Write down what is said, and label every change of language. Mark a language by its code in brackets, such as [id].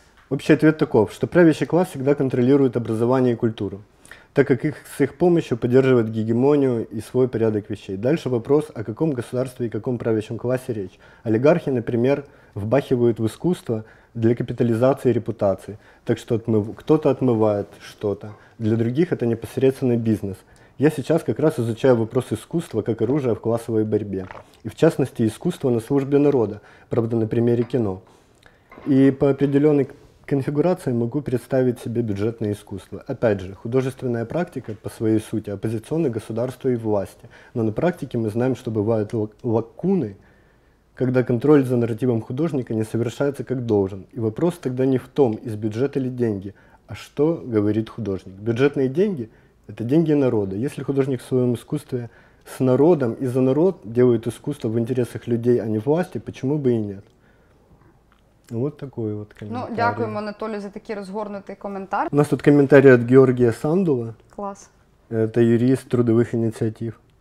[ru] Общий ответ таков, [uk] що правящий клас завжди контролює образування і культуру, так як з їх допомогою підтримує гегемонію і свій порядок речей. Далі вопрос, о якому государстві і якому правящому класі річ. Олігархи, наприклад, вбахивають в іскусство для капіталізації репутації, так що хтось отмиває щось. Для інших це непосередственний бізнес. [ru] Я сейчас как раз изучаю вопрос искусства как оружия в классовой борьбе. И в частности, искусство на службе народа, правда, на примере кино. И по определенной конфигурации могу представить себе бюджетное искусство. Опять же, художественная практика по своей сути оппозиционна государству и власти. Но на практике мы знаем, что бывают лакуны, когда контроль за нарративом художника не совершается как должен. И вопрос тогда не в том, из бюджета ли деньги, а что говорит художник. Бюджетные деньги – это деньги народа. Если художник в своем искусстве с народом и за народ делает искусство в интересах людей, а не власти, почему бы и нет? Вот такой вот комментарий. [uk] Ну, дякуємо, Анатолію, за такий розгорнутий коментар. У нас тут коментарі від Георгія Сандула. Клас. Это юрист трудових ініціатив.